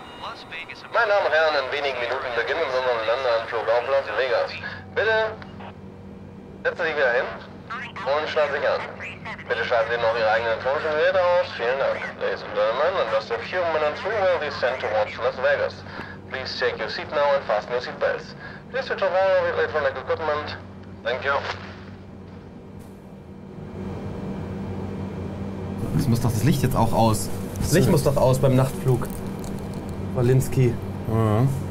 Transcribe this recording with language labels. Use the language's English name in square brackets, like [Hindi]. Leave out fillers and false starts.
[German] Meine Damen und Herren, in wenigen Minuten beginnen wir unseren Landeanflug auf Las Vegas. Bitte setzen Sie sich wieder hin und schneiden sich an. Bitte schalten Sie noch Ihre eigenen Tonschutzgeräte aus. Vielen Dank. [English] Ladies and Gentlemen, in just a few minutes we will descend towards Las Vegas. Please take your seat now and fasten your seatbelts. Please switch off all of your electronic equipment. Thank you. [German] Es muss doch das Licht jetzt auch aus. Das Licht muss doch aus beim Nachtflug. Walinski. Ja.